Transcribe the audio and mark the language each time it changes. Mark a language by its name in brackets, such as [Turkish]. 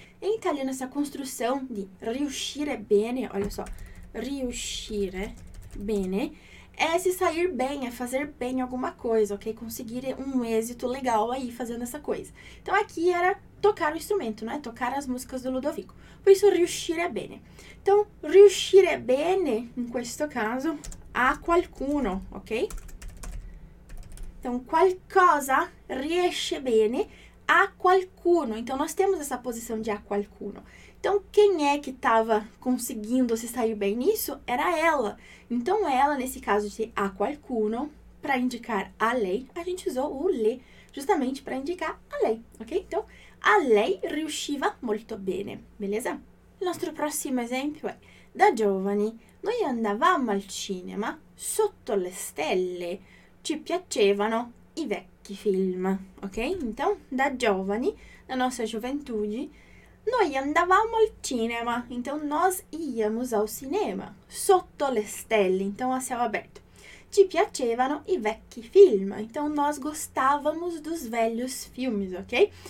[Portuguese] Em italiano, essa construção de [Italian] riuscire bene, [Portuguese] olha só, riuscire bene. É se sair bem, é fazer bem alguma coisa, ok? Conseguir um êxito legal aí fazendo essa coisa. Então aqui era tocar o instrumento, não é? Tocar as músicas do Ludovico. [Italian] Por isso, riuscire bene. Então, riuscire bene, in questo caso, a qualcuno, ok? Então, qualcosa riesce bene a qualcuno. [Portuguese] Então, nós temos essa posição de a qualcuno. Então, quem é que estava conseguindo se sair bem nisso? Era ela. Então, ela, nesse caso de a qualcuno, para indicar a lei, a gente usou o le, justamente para indicar a lei, ok? [Italian] Então, a lei riusciva molto bene, beleza? Il nostro prossimo esempio è: da giovani, noi andavamo al cinema sotto le stelle, ci piacevano i vecchi film, ok? Então, da giovani, la nostra gioventù, noi andavamo al cinema, [Portuguese] então nós íamos ao cinema, [Italian] sotto le stelle, [Portuguese] então a céu aberto. [Italian] Ci piacevano i vecchi film, [Portuguese] então nós gostávamos dos velhos filmes, ok?